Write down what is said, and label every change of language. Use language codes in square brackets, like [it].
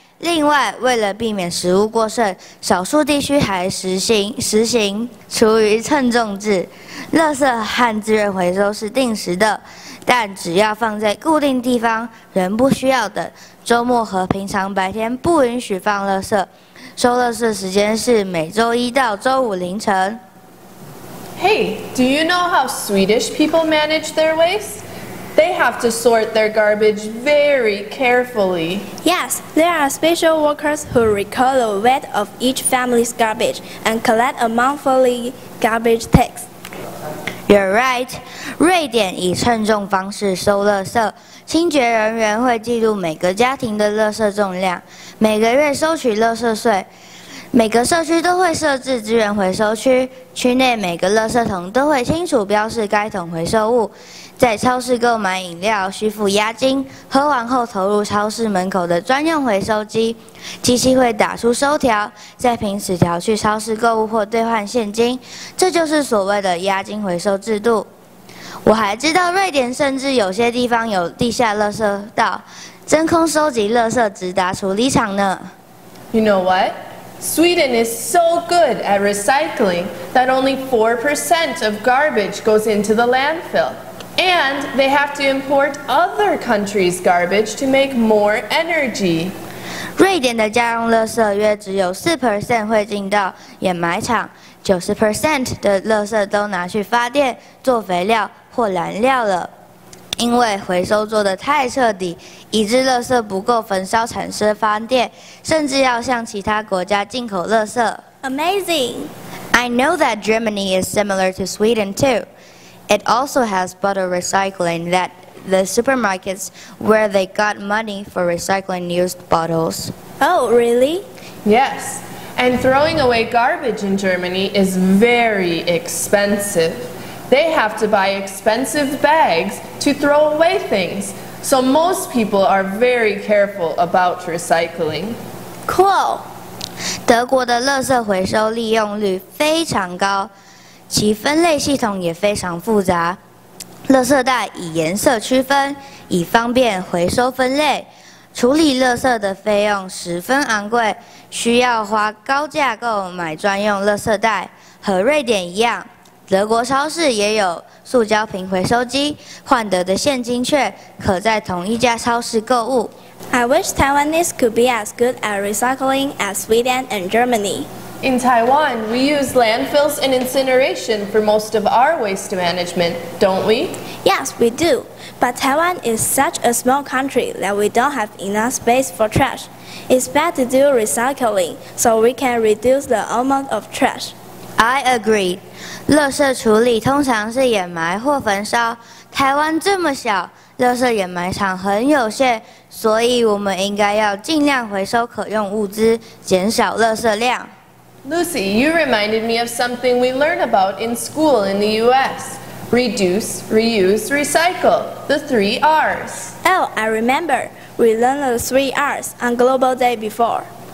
[zh] 另外，为了避免食物过剩，少数地区还实行厨余称重制。垃圾和资源回收是定时的，但只要放在固定地方，人不需要等。周末和平常白天不允许放垃圾，收垃圾时间是每周一到周五凌晨。 [en] Hey, do you know how Swedish people manage their waste? They have to sort their garbage very carefully. Yes, there are special workers who record the weight of each family's garbage and collect a monthly garbage tax. You're right. [zh] 瑞典以称重方式收垃圾，清洁人员会记录每个家庭的垃圾重量，每个月收取垃圾税。每个社区都会设置资源回收区，区内每个垃圾桶都会清楚标示该桶回收物。在超市购买饮料需付押金，喝完后投入超市门口的专用回收机，机器会打出收条，再凭此条去超市购物或兑换现金，这就是所谓的押金回收制度。我还知道瑞典甚至有些地方有地下垃圾道，真空收集垃圾直达处理厂呢。 [en] You know what? Sweden is so good at recycling that only 4% of garbage goes into the landfill. And they have to import other countries' garbage to make more energy. [zh] 瑞典的家用垃圾约只有 4% 会进到掩埋场， 90% 的垃圾都拿去发电、做肥料或燃料了。因为回收做得太彻底，以致垃圾不够焚烧产生发电，甚至要向其他国家进口垃圾。 [en] Amazing! I know that Germany is similar to Sweden too. It also has bottle recycling that the supermarkets where they got money for recycling used bottles. Oh, really? Yes. And throwing away garbage in Germany is very expensive. They have to buy expensive bags to throw away things. So most people are very careful about recycling. Cool! [zh] 德国的垃圾回收利用率非常高。其分类系统也非常复杂。垃圾袋以颜色区分，以方便回收分类。处理垃圾的费用十分昂贵，需要花高价购买专用垃圾袋。和瑞典一样，德国超市也有塑胶瓶回收机，换得的现金却可在同一家超市购物。 [en] I wish Taiwanese could be as good at recycling as Sweden and Germany. In Taiwan, we use landfills and incineration for most of our waste management, don't we? Yes, we do. But Taiwan is such a small country that we don't have enough space for trash. It's better to do recycling so we can reduce the amount of trash. I agree. [zh] 垃圾处理通常是掩埋或焚烧。台湾这么小，垃圾掩埋场很有限，所以我们应该要尽量回收可用物资，减少垃圾量。 [en] Lucy, you reminded me of something we learned about in school in the U.S. Reduce, reuse, recycle. The three R's. Oh, I remember. We learned the three R's on Global Day before.